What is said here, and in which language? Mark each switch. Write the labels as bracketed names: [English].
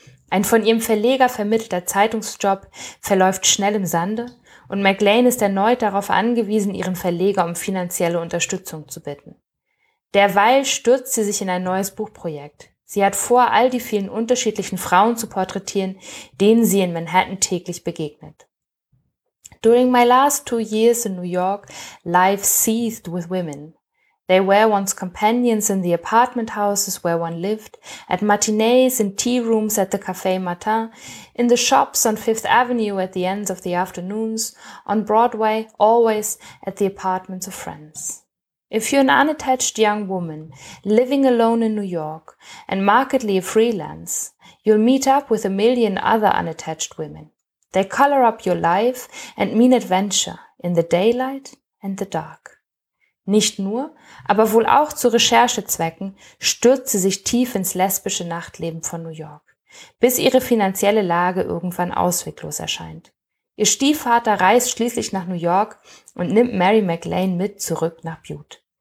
[German] Ein von ihrem Verleger vermittelter Zeitungsjob verläuft schnell im Sande und McLean ist erneut darauf angewiesen, ihren Verleger um finanzielle Unterstützung zu bitten. Derweil stürzt sie sich in ein neues Buchprojekt. Sie hat vor, all die vielen unterschiedlichen Frauen zu porträtieren, denen sie in Manhattan täglich begegnet. [English] During my last 2 years in New York, life seethed with women. They were one's companions in the apartment houses where one lived, at matinees, in tea rooms at the Café Matin, in the shops on Fifth Avenue at the ends of the afternoons, on Broadway, always at the apartments of friends. If you're an unattached young woman living alone in New York and markedly a freelance, you'll meet up with a million other unattached women. They color up your life and mean adventure in the daylight and the dark. [German] Nicht nur, aber wohl auch zu Recherchezwecken stürzt sie sich tief ins lesbische Nachtleben von New York, bis ihre finanzielle Lage irgendwann ausweglos erscheint. Ihr Stiefvater reist schließlich nach New York und nimmt Mary McLean mit zurück nach Bute.